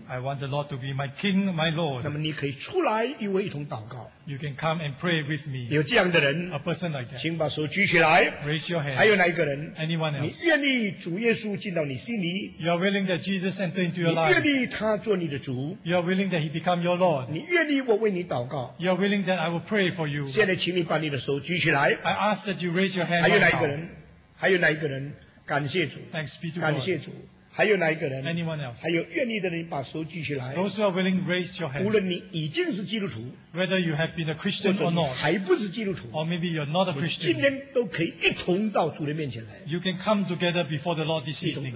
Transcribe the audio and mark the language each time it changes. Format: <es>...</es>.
<en>I want the Lord to be my King, my Lord.</en> <zh>那么你可以出来与我一同祷告。</zh> <en>You can come and pray with me.</en> <zh>有这样的人</zh> <en>，a person like that，</en> <zh>请把手举起来。</zh> <en>Raise your hand.</en> <zh>还有哪一个人</zh> <en>？Anyone else?</en> <zh>你愿意主耶稣进到你心里</zh> <en>？You are willing that Jesus enter into your life.</en> <zh>你愿意他做你的主</zh> <en>？You are willing that He become your Lord.</en> <zh>你愿意我为你祷告</zh> <en>？You are willing that I will pray for you.</en> <zh>现在请你把你的手举起来。</zh> <en>I ask that you raise your hand.</en> <zh>还有哪一个人？还有哪一个人？感谢主，</zh> <en>Thanks be to God.</en> <zh>感谢主，还有哪一个人？</zh> <en>Anyone else?</en> <zh>还有愿意的人，把手举起来。</zh> <en>Those who are willing, raise your hand.</en> <zh>无论你已经是基督徒，</zh> <en>whether you have been a Christian or not,</en> <zh>还不是基督徒，</zh> <en>or maybe you're not a Christian,</en> <zh>今天都可以一同到主的面前来。</zh> <en>You can come together before the Lord this evening.</en>